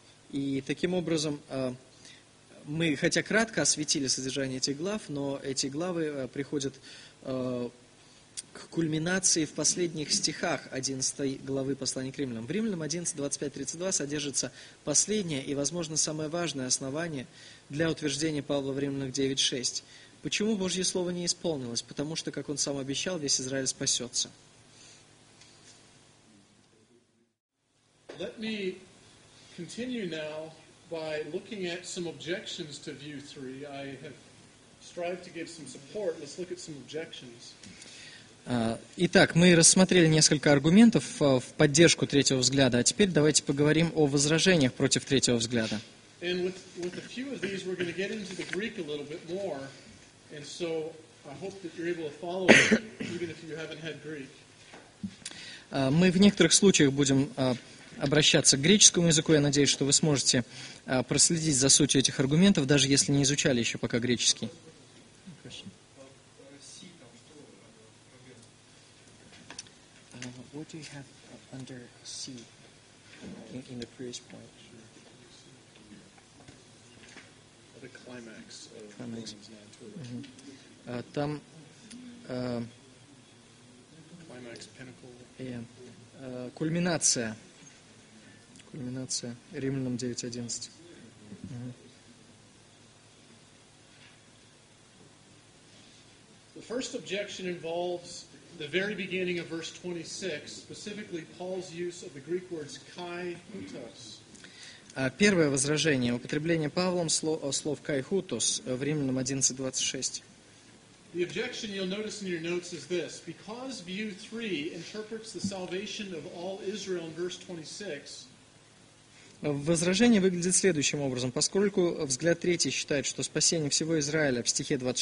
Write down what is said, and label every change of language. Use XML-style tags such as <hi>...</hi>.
<ru>И таким образом, мы хотя кратко осветили содержание этих глав, но эти главы приходят к кульминации в последних стихах 11 главы послания к Римлянам. В Римлянам 11:25-32 содержится последнее и, возможно, самое важное основание для утверждения Павла в Римлянам 9:6. Почему Божье Слово не исполнилось? Потому что, как он сам обещал, весь Израиль спасется.</ru> <en>Let me continue now by looking at some objections to view 3. I have strived to give some support. Let's look at some objections.</en> <ru>Итак, мы рассмотрели несколько аргументов в поддержку третьего взгляда, а теперь давайте поговорим о возражениях против третьего взгляда.</ru> <en>And with a few of these, we're going to get into the Greek a little bit more. And so I hope that you're able to follow it, even if you haven't had Greek.</en> <ru>Мы в некоторых случаях будем обращаться к греческому языку. Я надеюсь, что вы сможете проследить за сутью этих аргументов, даже если не изучали еще пока греческий.</ru> <en>What do you have under C in the previous point? The climax of Romans 9.</en> <ru>Там</ru> <en>climax, pinnacle.</en> <ru>Кульминация. Кульминация. Римлянам 9:11.</ru> <en>The first objection involves the the very beginning of verse 26, specifically Paul's use of the Greek words kai houtos.</en> <ru>Первое возражение, употребление Павлом слов kai houtos в Римлянам 11:26.</ru> <en>The objection you'll notice in your notes is this: because view 3 interprets the salvation of all Israel in verse 26.</en> <ru>Возражение выглядит следующим образом. Поскольку взгляд третий считает, что спасение всего Израиля в стихе</ru>